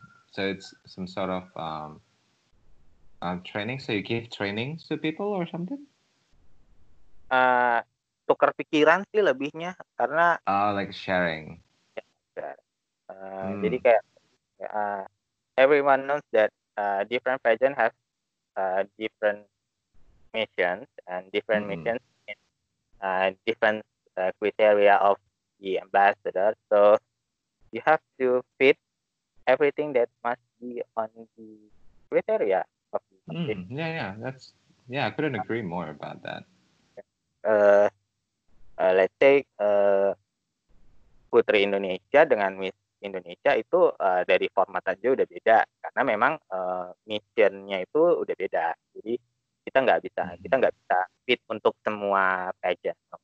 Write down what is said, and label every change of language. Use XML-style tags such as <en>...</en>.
<en>So it's some sort of training. So you give trainings to people or something?</en> <id>Tukar pikiran sih lebihnya, karena</id> <en>like sharing.</en> <id>Jadi kayak</id> <en>everyone knows that different pageant have different missions and different missions in different criteria of the ambassador. So you have to fit everything that must be on the criteria. I couldn't agree more about that. Let's say</en> <id>Putri Indonesia dengan Miss Indonesia itu dari format aja udah beda, karena memang mission-nya itu udah beda. Jadi kita nggak bisa fit untuk semua pageant.</id>